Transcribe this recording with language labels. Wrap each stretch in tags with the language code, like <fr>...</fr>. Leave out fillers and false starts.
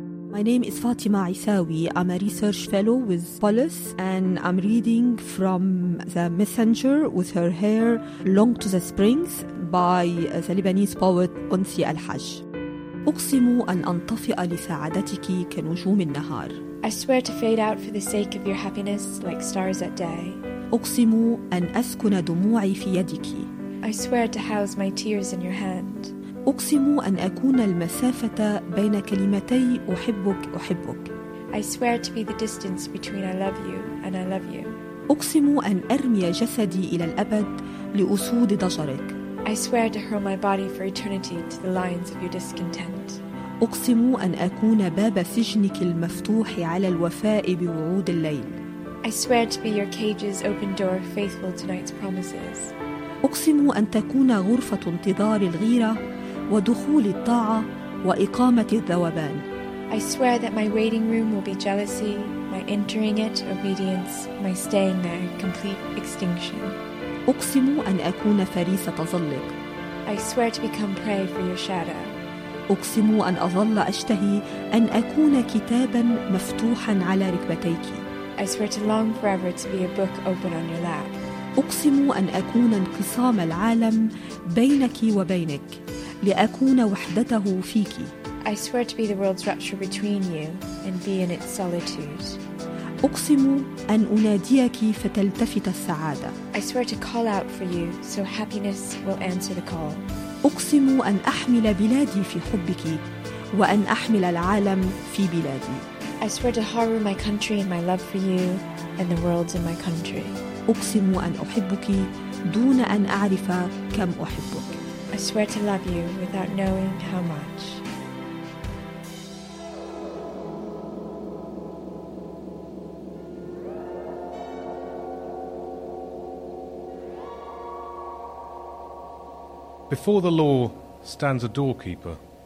<en>My name is Fatima Isawi. I'm a research fellow with Polis, and I'm reading from The Messenger with Her Hair Long to the Springs by the Lebanese poet Unsi Al-Hajj.</en> <ar>أقسم أن أنطفئ لسعادتك كنجوم النهار.</ar> <en>I swear to fade out for the sake of your happiness like stars at day.</en> <ar>أقسم أن أسكن دموعي في يدك.</ar> <en>I swear to house my tears in your hand.</en> <ar>أقسم أن أكون المسافة بين كلمتي أحبك أحبك.</ar> <en>I swear to be the distance between I love you and I love you.</en> <ar>أقسم أن أرمي جسدي إلى الأبد لأسود ضجرك.</ar> <en>I swear to hurl my body for eternity to the lions of your discontent.</en> <ar>أقسم أن أكون باب سجنك المفتوح على الوفاء بوعود الليل.</ar> <en>I swear to be your cage's open door faithful to night's promises.</en> <ar>أقسم أن تكون غرفة انتظار الغيرة ودخول الطاعة وإقامة الذوبان.</ar> <en>I swear that my waiting room will be jealousy, my entering it obedience, my staying there complete extinction.</en> <ar>أقسم أن أكون فريسة ظلك.</ar> <en>I swear to become prey for your shadow.</en> <ar>أقسم أن أظل أشتهي أن أكون كتابا مفتوحا على ركبتيك.</ar> <en>I swear to long forever to be a book open on your lap.</en> <ar>أقسم أن أكون انقسام العالم بينك وبينك لأكون وحدته فيك.</ar> <en>I swear to be the world's rupture between you and be in its solitude.</en> <ar>أقسم أن أناديك فتلتفت السعادة.</ar> <en>I swear to call out for you so happiness will answer the call.</en> <ar>أقسم أن أحمل بلادي في حبك وأن أحمل العالم في بلادي.</ar> <en>I swear to harbor my country and my love for you and the world in my country.</en> <ar>أقسم أن أحبك دون أن أعرف كم أحبك.</ar> <en>I swear to love you without knowing how much. Before the law stands a doorkeeper.</en>